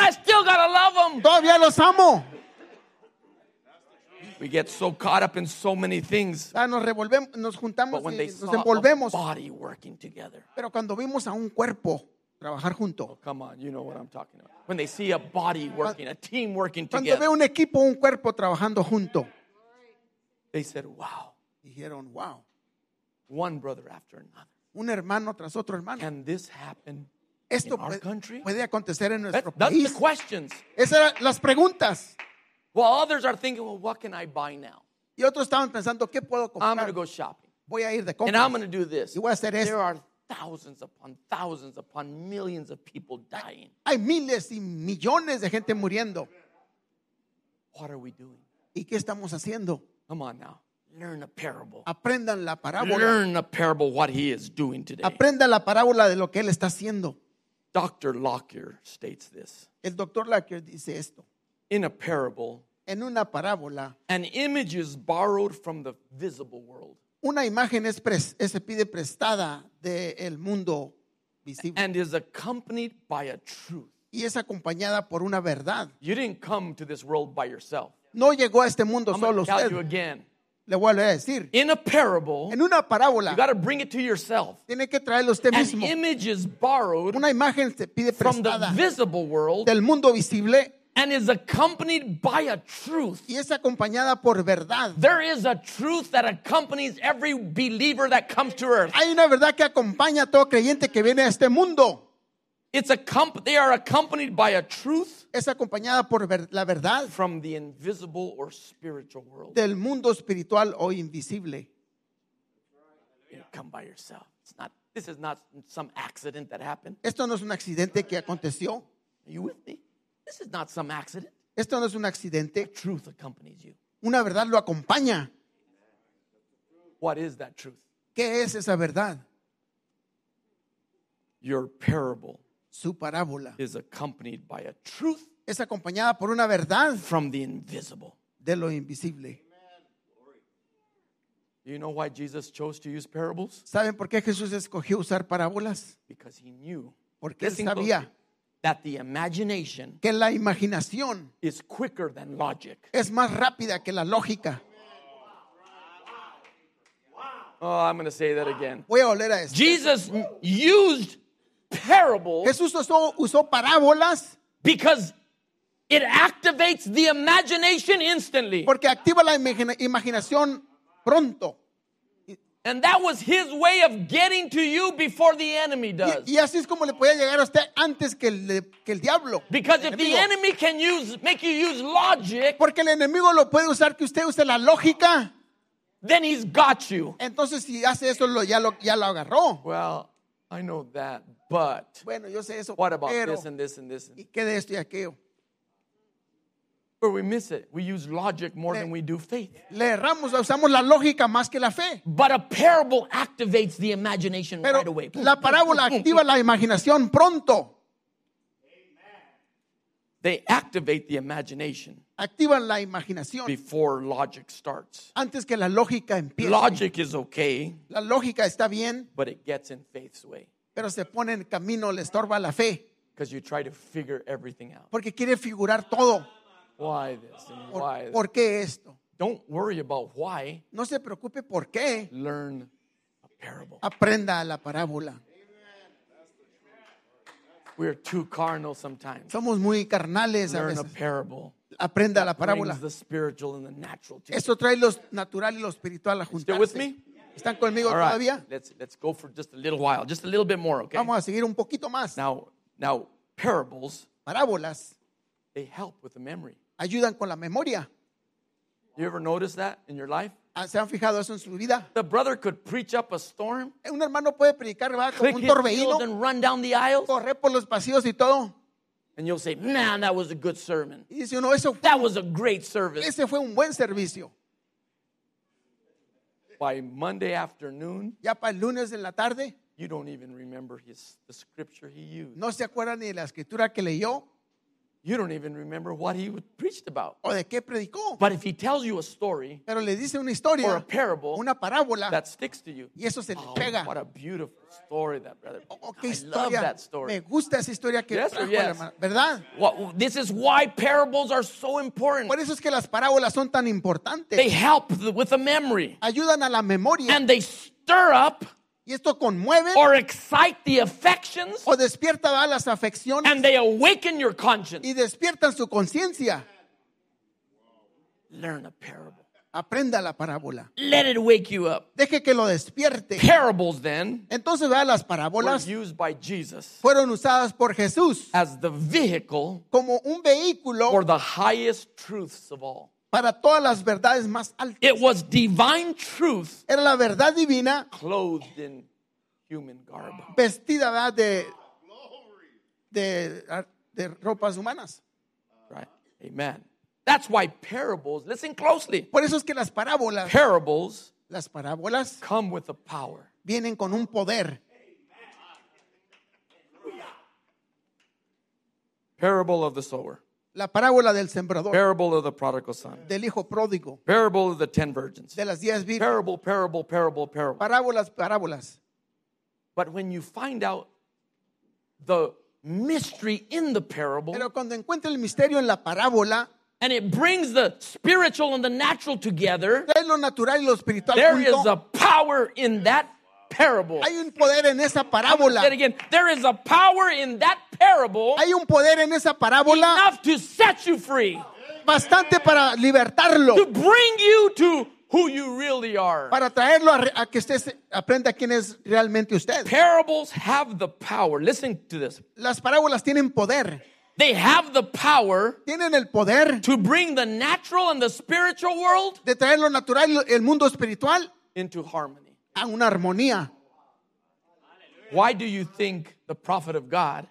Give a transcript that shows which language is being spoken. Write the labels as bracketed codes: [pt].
[en] I still gotta love them. [es] Todavía los amo. [en] We get so caught up in so many things. [es] Nos revolvemos, nos juntamos y nos envolvemos. [en] Body working together. [es] Pero cuando vimos a un cuerpo trabajar junto. [en] Oh, come on, you know what I'm talking about. When they see a body working, a team working together. [es] Cuando ve un equipo, un cuerpo trabajando junto. [en] They said, "Wow." [es] Dijeron, wow. [en] One brother after another. [es] Un hermano tras otro hermano. [en] Can this happen [es] Esto [en] in our country? [es] Puede acontecer en nuestro [en] That's [es] país. [en] The questions. [es] Esas eran las preguntas. [en] While others are thinking, well, what can I buy now? [es] Y otros estaban pensando, ¿qué puedo comprar? [en] I'm going to go shopping. [es] Voy a ir de compras. [en] And I'm going to do this. [es] Y voy a hacer esto. [en] There are thousands upon millions of people dying. [es] Hay miles y millones de gente muriendo. [en] What are we doing? [es] ¿Y qué estamos haciendo? [en] Come on now. Learn a parable. [es] Aprendan la parábola. [en] Learn a parable what he is doing today. [es] Aprenda la parábola de lo que él está haciendo. [en] Dr. Lockyer states this. [es] El Dr. Lockyer dice esto. [en] In a parable, [es] en una parábola, [en] an image is borrowed from the visible world. [es] Una imagen se pide prestada del mundo visible. [en] And is accompanied by a truth. [es] Y es acompañada por una verdad. [en] You didn't come to this world by yourself. [es] No llegó a este mundo [en] I'm [es] solo usted. [en] I'll tell you again. [es] Le vuelvo a decir. [en] In a parable, [es] en una parábola, [en] you got to bring it to yourself. [es] Tiene que traerlo usted mismo. [en] An image is borrowed [es] una imagen se pide [en] from the visible world [es] del mundo visible, [en] and is accompanied by a truth. [es] Y es acompañada por verdad. [en] There is a truth that accompanies every believer that comes to earth. [es] Hay una verdad que acompaña a todo creyente que viene a este mundo. [en] They are accompanied by a truth. [es] Es acompañada por la verdad. [en] From the invisible or spiritual world. [es] Del mundo espiritual o invisible. [en] You come by yourself. It's not. This is not some accident that happened. [es] Esto no es un accidente que aconteció. [en] Are you with me? This is not some accident. [es] Esto no es un accidente. [en] A truth accompanies you. [es] Una verdad lo acompaña. [en] What is that truth? [es] ¿Qué es esa verdad? [en] Your parable. [es] Su parábola [en] is accompanied by a truth [es] es acompañada por una verdad [en] from the invisible. [es] De lo invisible. [en] Do you know why Jesus chose to use parables? [es] ¿Saben por qué Jesús escogió usar parábolas? [en] Because he knew. [es] Porque él sabía [en] that the imagination [es] que la imaginación [en] is quicker than logic. [es] Es más rápida que la lógica. [en] Oh, I'm going to say that again. [es] Voy a volver a esto. [en] Jesus used parables. [es] Jesús usó parábolas [en] because it activates the imagination instantly. [es] Porque activa la imaginación pronto. [en] And that was his way of getting to you before the enemy does. [es] Y así es como le podía llegar a usted antes que el diablo. [en] Because if the enemy can make you use logic, [es] porque el enemigo lo puede usar que usted use la lógica. [en] Then he's got you. [es] Entonces si hace eso ya lo agarró. [en] Well, I know that, but [es] bueno, yo sé eso, [en] what about [es] pero, [en] this and this and this? [es] ¿Y qué de esto y aquello? [en] Where we miss it, we use logic more than we do faith. [es] Le erramos, usamos la lógica más que la fe. [en] But a parable activates the imagination [es] pero [en] right away. [es] La parábola activa la imaginación pronto. [en] They activate the imagination. [es] Activan la imaginación. [en] Before logic starts. [es] Antes que la lógica empiece. [en] Logic is okay. [es] La lógica está bien. [en] But it gets in faith's way. [es] Pero se pone en camino, le estorba la fe. [en] Because you try to figure everything out. [es] Porque quiere figurar todo. [en] Why this and why this? [es] ¿Por qué esto? [en] Don't worry about why. [es] No se preocupe por qué. [en] Learn a parable. [es] Aprenda la parábola. [en] We're too carnal sometimes. [es] Somos muy carnales [en] learn [es] a veces. [en] A parable. [es] Aprenda la parábola. [en] The spiritual and the natural to [es] esto trae lo natural y lo espiritual a juntarse. [en] Still with me? [es] ¿Están conmigo [en] all right. [es] todavía? [en] Let's go for just a little while. Just a little bit more, okay? [es] Vamos a seguir un poquito más. [en] Now parables. [es] Parábolas. [en] They help with the memory. [es] Ayudan con la memoria. [en] You ever notice that in your life? [es] ¿Se han fijado eso en su vida? [en] The brother could preach up a storm. [es] Un hermano puede predicar bajo un torbellino. [en] And run down the aisles. [es] Correr por los pasillos y todo. [en] And you'll say, man, that was a good sermon. [es] Y dice uno, eso fue, [en] that was a great service. [es] Ese fue un buen servicio. [en] By Monday afternoon. [es] Ya para el lunes en la tarde. [en] You don't even remember the scripture he used. [es] No se acuerda ni de la escritura que leyó. [en] You don't even remember what he preached about. [es] ¿O de qué predicó? [en] But if he tells you a story, [es] pero le dice una historia, [en] or a parable, [es] una parábola, [en] that sticks to you, [es] y eso se oh, le pega. [en] What a beautiful story that brother. [es] Oh, qué historia. [en] Love that story. [es] Me gusta esa historia que [en] yes [es] trajo, [en] yes. [es] ¿Verdad? [en] Well, this is why parables are so important. [es] Por eso es que las parábolas son tan importantes. [en] They help with the memory. [es] Ayudan a la memoria. [en] And they stir up. [es] Y esto conmueve [en] or excite the affections, [es] o despierta las afecciones [en] and they awaken your conscience. [es] Y despiertan su conciencia. [en] Learn a parable. [es] Aprenda la parábola. [en] Let it wake you up. [es] Deje que lo despierte. [en] Parables then. [es] Entonces vea las parábolas. [en] Were used by Jesus. [es] Fueron usadas por Jesús. [en] As the vehicle. [es] Como un vehículo. [en] For the highest truths of all. [es] Para todas las verdades más altas. [en] It was divine truth. [es] Era la verdad divina. [en] Clothed in human garb. [es] Vestida de ropas humanas. [en] Right. Amen. That's why parables. Listen closely. [es] Por eso es que las parábolas. [en] Parables. [es] Las parábolas. [en] Come with a power. [es] Vienen con un poder. [en] Parable of the sower. [es] La parábola del sembrador. [en] Parable of the prodigal son. [es] Del hijo pródigo. [en] Parable of the 10 virgins. [es] De las 10 virgen. [en] Parable, parable, parable, parable. [es] Parábolas, parábolas. [en] But when you find out the mystery in the parable. [es] Pero cuando encuentra el misterio en la parábola. [en] And it brings the spiritual and the natural together. [es] De lo natural y lo espiritual. [en] There is a power in that parable. [es] Hay un poder en esa parábola. [en] Say it again. There is a power in that parable. [es] Hay un poder en esa parábola. [en] Enough to set you free. [es] Bastante para libertarlo. [en] To bring you to who you really are. [es] Para traerlo a que usted aprenda quién es realmente usted. [en] Parables have the power. Listen to this. [es] Las parábolas tienen poder. [en] They have the power. [es] Tienen el poder. [en] To bring the natural and the spiritual world. [es] De traer lo natural y el mundo espiritual. [en] Into harmony. [es] A una armonía. [en] Why do you think the prophet of God?